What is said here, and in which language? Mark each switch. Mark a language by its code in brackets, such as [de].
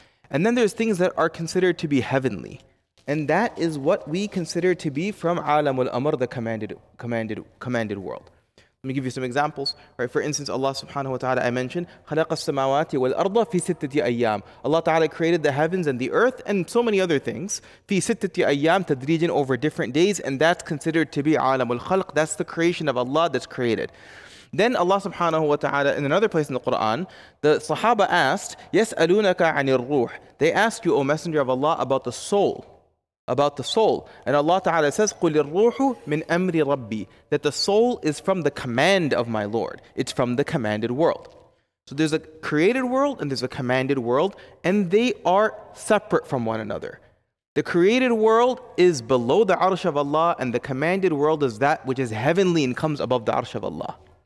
[en] And then there's things that are considered to be heavenly. And that is what we consider to be from alamul amr, the commanded world. Let me give you some examples. Right, for instance, Allah subhanahu wa ta'ala, I mentioned, [ar] خَلَقَ السَّمَاوَاتِ وَالْأَرْضَ فِي سِتَّةِ أَيَّامٍ. [en] Allah ta'ala created the heavens and the earth and so many other things. [ar] فِي سِتَّةِ أَيَّامٍ تَدْرِيجًا, [en] over different days. And that's considered to be عَالَمُ الْخَلْقِ. That's the creation of Allah that's created. Then Allah subhanahu wa ta'ala, in another place in the Quran, the sahaba asked, [ar] يَسْأَلُونَكَ عَنِ الرُّوحِ. [en] They asked you, O Messenger of Allah, about the soul. About the soul. And Allah Ta'ala says, [ar] قُلْ الرُّوحُ مِنْ أَمْرِ رَبِّي. [en] That the soul is from the command of my Lord. It's from the commanded world. So there's a created world and there's a commanded world, and they are separate from one another. The created world is below the Arsh of Allah, and the commanded world is that which is heavenly and comes above the Arsh of Allah.